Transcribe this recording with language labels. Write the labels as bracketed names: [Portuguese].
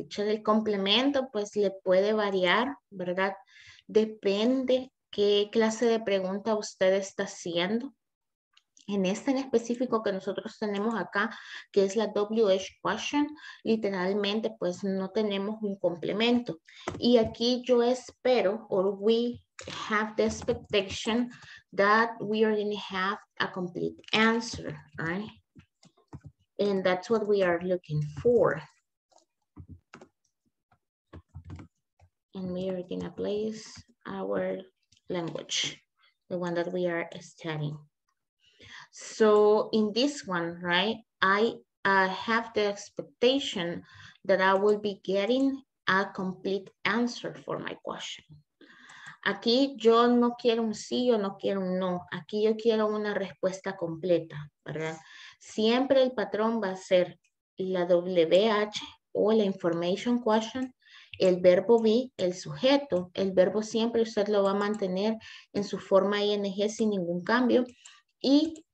[Spanish] Dicho el complemento, pues le puede variar, ¿verdad? Depende qué clase de pregunta usted está haciendo. En este en específico que nosotros tenemos acá, que es la WH question, literalmente pues no tenemos un complemento. Y aquí yo espero, [English] or we have the expectation that we are going to have a complete answer, right? And that's what we are looking for. And we are going to place our language, the one that we are studying. So in this one, right, I have the expectation that I will be getting a complete answer for my question. [Spanish] Aquí yo no quiero un sí o no quiero un no. Aquí yo quiero una respuesta completa, ¿verdad? Siempre el patrón va a ser la WH o la information question, el verbo be, el sujeto. El verbo siempre usted lo va a mantener en su forma ing sin ningún cambio. Y